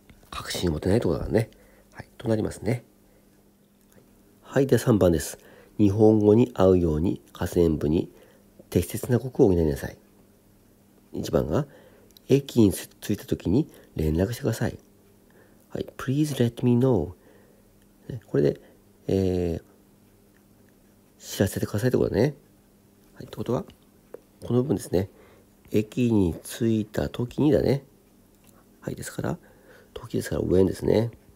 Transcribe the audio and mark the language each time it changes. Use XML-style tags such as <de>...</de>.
<ja>確信持てないところだね。はい、となりますね。はい、では3番です。日本語に合うように下線部に適切な語句を補いなさい。 1番が駅に着いた時に連絡してください。</ja> <en>はい、Please let me know。</en> <ja>これで、知らせてくださいってことだね。はい、ってことはこの部分ですね。駅に着いた時にだね。はい、ですから時ですから when ですね。</ja>